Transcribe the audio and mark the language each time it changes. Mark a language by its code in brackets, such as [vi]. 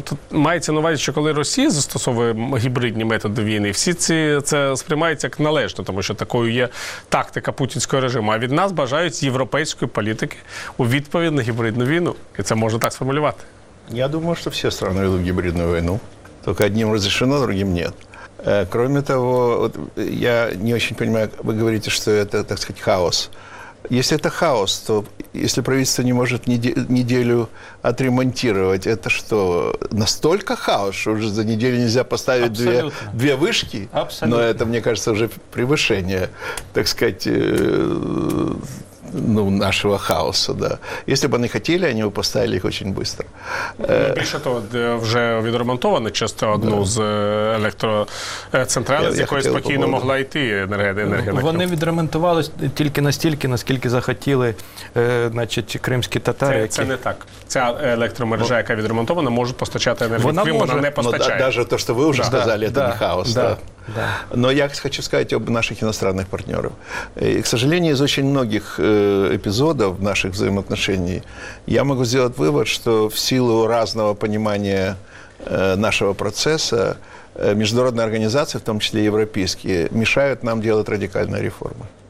[uk] Тобто мається на увазі, що коли Росія застосовує гібридні методи війни, всі це сприймається як належно, тому що такою є тактика путінського режиму. А від нас бажають європейської політики у відповідь на гібридну війну. І це можна так сформулювати. Я думаю, що всі країни ведуть гібридну війну. Тільки одним розрішено, другим – ні. [ru] Кроме того, вот я не очень понимаю, вы говорите, что это, так сказать, хаос. Если это хаос, то если правительство не может неделю отремонтировать, это что, настолько хаос, что уже за неделю нельзя поставить две вышки? Абсолютно. Но это, мне кажется, уже превышение, так сказать, ну, нашего хаоса. Да. Если бы они хотели, они бы поставили их очень быстро. [uk] Більше того, уже відремонтована частина одну з електроцентралей, з якої спокійно могла йти енергія. Вони відремонтувалися тільки настільки, наскільки захотіли значить, кримські татари. Це не так. Ця електромережа, яка відремонтована, може постачати енергію Криму, вона не постачає. Навіть те, що ви вже сказали, це не хаос. [ru] Но я хочу сказать об наших иностранных партнерах. К сожалению, из очень многих эпизодов наших взаимоотношений я могу сделать вывод, что в силу разного понимания нашего процесса международные организации, в том числе европейские, мешают нам делать радикальные реформы.